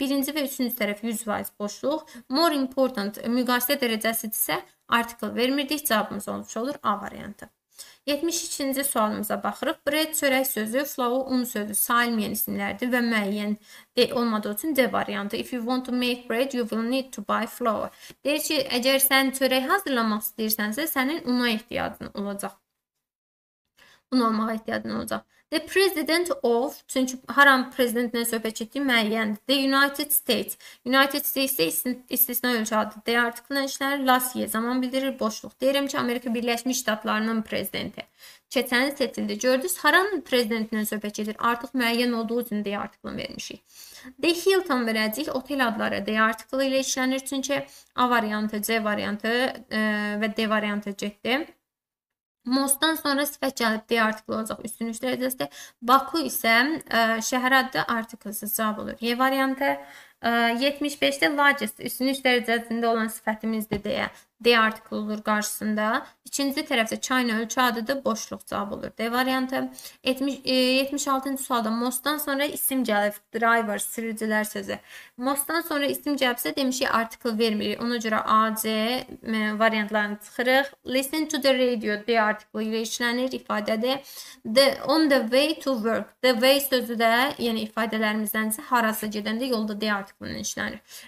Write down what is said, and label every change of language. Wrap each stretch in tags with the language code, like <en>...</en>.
<az>Birinci və üçüncü tərəf 100% boşluq. More important, müqayisə dərəcəsidirsə, artıqlı vermirdik. Cavabımız olmuş olur A variantı. 72-ci sualımıza baxırıq. Bread, çörək sözü, flour, un sözü sayılmayan isimlərdir və müəyyən olmadığı üçün D variantı.</az> <en>If you want to make bread, you will need to buy flour.</en> <az>Deyir ki, əgər sən çörək hazırlamaq istəyirsənsə, sənin una ehtiyacın olacaq. Un olmağa ehtiyacın olacaq.</az> <en>The president of,</en> <az>çünki haram prezidentinə söhbət etdiyi müəyyəndir.</az> <en>The United States.</en> <az>United States istisna ölkə adı. D artıqlı işlər. Last year zaman bildirir. Boşluq. Deyirəm ki, Amerika Birləşmiş Ştatlarının prezidenti. Keçəni seçildi. Gördünüz, haram prezidentinə söhbət edir. Artıq müəyyən olduğu üçün D artıqlı vermişik. The Hilton verəcək. Otel adları D artıqlı ilə işlənir. Çünki A variantı, C variantı və D variantı getdi. Most'dan sonra sifət gəlib D artıqlı olacaq üstün üç dərəcəsində. Baku isə şəhər adı artıqlısız cavab olur. Y variantı 75-də largest üstün üç dərəcəsində olan sifətimizdir deyə D artıqlı olur qarşısında. İkinci tərəfdə China ölkə adıdır, boşluq cavab olur. D variantı 76-cı sualda most'dan sonra isim gəlib driver, sürücülər sözü. Most'dan sonra isim gəlibsə demiş ki, artıqlı vermirik. Ona görə A, C variantlarını çıxırıq.</az> <en>Listen to the radio,</en> <az>D artıqlı ilə işlənir ifadədir.</az> <en>On the way to work,</en> <az>the way sözü də, yəni ifadələrimizdən isə harası gedəndə yolda D artıqlı ilə işlənir.</az>